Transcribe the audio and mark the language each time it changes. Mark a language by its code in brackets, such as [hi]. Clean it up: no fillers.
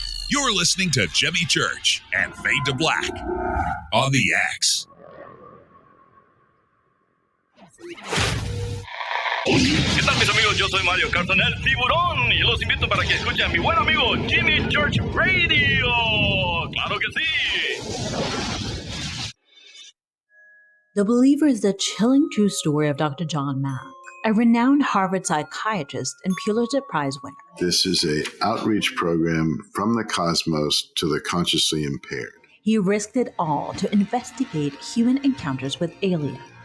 [en] You're listening to Jimmy Church and Fade to Black on the X. [es] ¿Qué tal, mis amigos? Yo soy Mario Carson, el Tiburón, y los invito para que escuchen a mi buen amigo Jimmy Church Radio. ¡Claro que sí! [en] The Believer is the chilling true story of Dr. John Mack, a renowned Harvard psychiatrist and Pulitzer Prize winner. This is an outreach program from the cosmos to the consciously impaired. He risked it all to investigate human encounters with aliens.